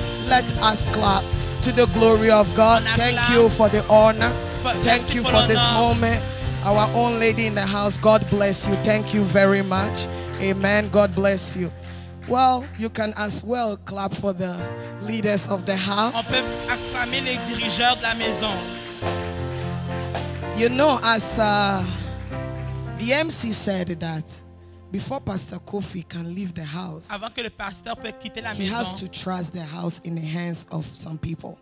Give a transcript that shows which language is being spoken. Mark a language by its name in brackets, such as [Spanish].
[English] Let us clap to the glory of God. Thank you for the honor. Thank you for this moment. Our own lady in the house, God bless you. Thank you very much. Amen. God bless you. Well, you can as well clap for the leaders of the house. [French] On peut acclamer les dirigeurs de la maison. [English] You know, as the MC said that before Pastor Kofi can leave the house, [French] avant que le pasteur peut quitter la [English] he [French] maison, [English] has to trust the house in the hands of some people.